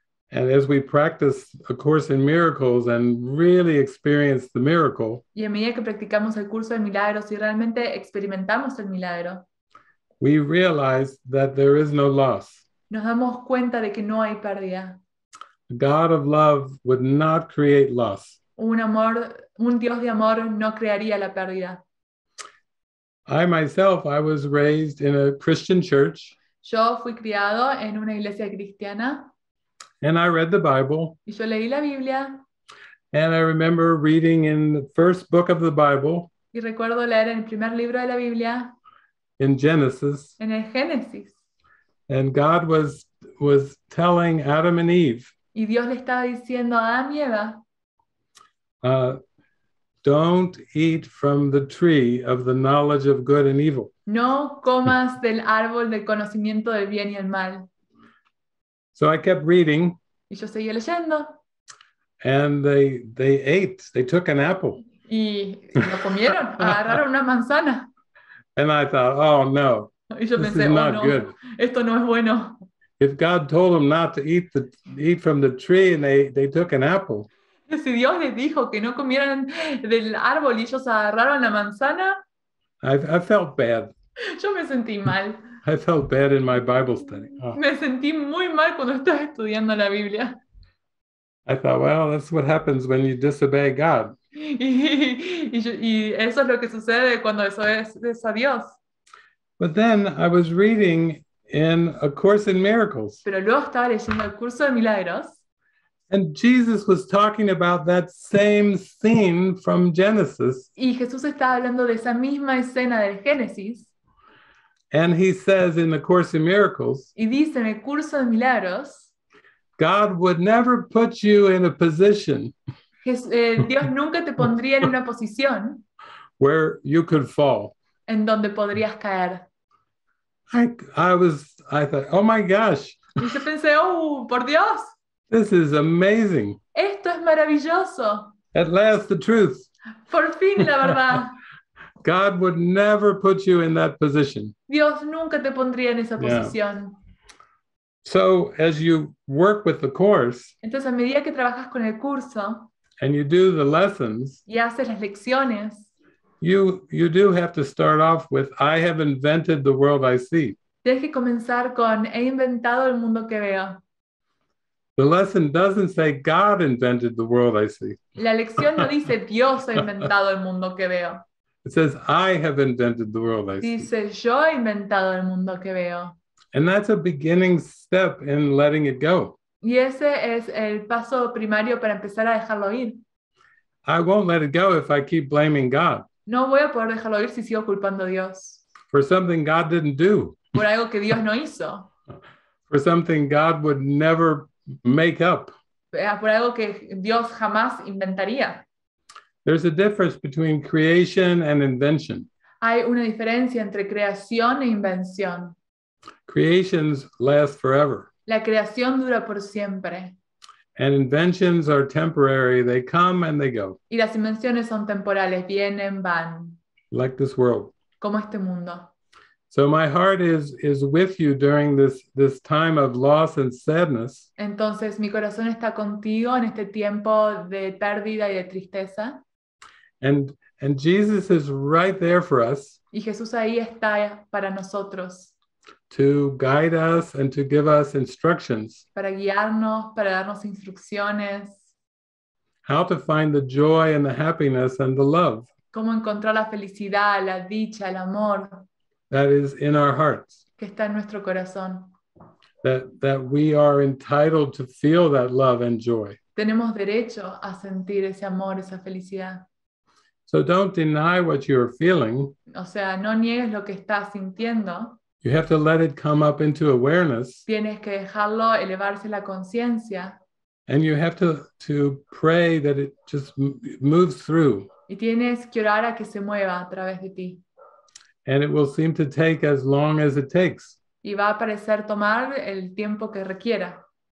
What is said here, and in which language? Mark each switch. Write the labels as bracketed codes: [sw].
[en] And as we practice A Course in Miracles and really experience the miracle, [es] y a medida que practicamos el curso de milagros y realmente experimentamos el milagro, [en] we realize that there is no loss. [es] Nos damos cuenta de que no hay pérdida. [en] A God of love would not create loss. [es] Un Dios de amor no crearía la pérdida. [en] I was raised in a Christian church. [es] Yo fui criado en una iglesia cristiana. [en] And I read the Bible. [es] Y yo leí la Biblia. [en] And I remember reading in the first book of the Bible. [es] Y recuerdo leer en el primer libro de la Biblia. [en] In Genesis. [es] En el Génesis. [en] And God was telling Adam and Eve. [es] Y Dios le estaba diciendo a Adam y Eva. [en] Don't eat from the tree of the knowledge of good and evil. [es] No comas del árbol del conocimiento del bien y el mal. [en] So I kept reading. [es] Y yo seguí leyendo. [en] And they ate. They took an apple. [es] Y lo comieron. Agarraron una manzana. [en] And I thought, oh no. [es] Y yo [en] this [es] pensé, [en] is oh, not [es] no. [en] Good. [es] Esto no es bueno. [en] If God told them not to eat from the tree and they took an apple. [es] Si Dios les dijo que no comieran del árbol y ellos agarraron la manzana. [en] I felt bad. [es] Yo me sentí mal. [en] I felt bad in my Bible study. Oh. [es] Me sentí muy mal cuando estaba estudiando la Biblia. [en] I thought, well, that's what happens when you disobey God. [es] Y eso es lo que sucede cuando desobedeces a Dios. [en] But then I was reading in A Course in Miracles. [es] Pero luego estaba leyendo el curso de milagros. [en] And Jesus was talking about that same scene from Genesis. [es] Y Jesús estaba hablando de esa misma escena del Génesis. [en] And he says in the Course in Miracles, [es] y dice en el curso de milagros, [en] God would never put you in a position. [es] Dios nunca te pondría en una posición [en] where you could fall. [es] En donde podrías caer. [en] I thought, oh my gosh. [es] Y yo pensé, oh, por Dios. [en] This is amazing. [es] Esto es maravilloso. [en] At last, the truth. [es] Por fin, la verdad. [en] God would never put you in that position. [es] Dios nunca te pondría en esa posición. [en] Yeah. So, as you work with the course, [es] entonces, a medida que trabajas con el curso, [en] and you do the lessons, [es] y haces las lecciones, [en] you do have to start off with, I have invented the world I see. [es] Tienes que comenzar con, he inventado el mundo que veo. [en] The lesson doesn't say God invented the world I see. [es] La lección no dice Dios ha inventado el mundo que veo. [en] It says I have invented the world I see. [es] Dice yo he inventado el mundo que veo. [en] And that's a beginning step in letting it go. [es] Y ese es el paso primario para empezar a dejarlo ir. [en] I won't let it go if I keep blaming God. [es] No voy a poder dejarlo ir si sigo culpando a Dios. [en] For something God didn't do. [es] Por algo que Dios no hizo. [en] For something God would never make up. [es] Por algo que Dios jamás inventaría. [en] There's a difference between creation and invention. [es] Hay una diferencia entre creación e invención. [en] Creations last forever. [es] La creación dura por siempre. [en] And inventions are temporary. They come and they go. [es] Y las invenciones son temporales. Vienen, van. [en] Like this world. [es] Como este mundo. [en] So my heart is with you during this time of loss and sadness. [es] Entonces mi corazón está contigo en este tiempo de pérdida y de tristeza. [en] And Jesus is right there for us. [es] Y Jesús ahí está para nosotros. [en] To guide us and to give us instructions. [es] Para guiarnos, para darnos instrucciones. [en] How to find the joy and the happiness and the love. [es] Cómo encontrar la felicidad, la dicha, el amor. [en] That is in our hearts. [es] Que está en nuestro corazón. [en] That we are entitled to feel that love and joy. [es] Tenemos derecho a sentir ese amor, esa felicidad. [en] So don't deny what you are feeling. [es] O sea, no niegues lo que estás sintiendo. [en] You have to let it come up into awareness. [es] Tienes que dejarlo elevarse la conciencia. [en] And you have to pray that it just moves through. [es] Y tienes que orar a que se mueva a través de ti. [en] And it will seem to take as long as it takes. [es] Y va a parecer tomar el tiempo que requiera.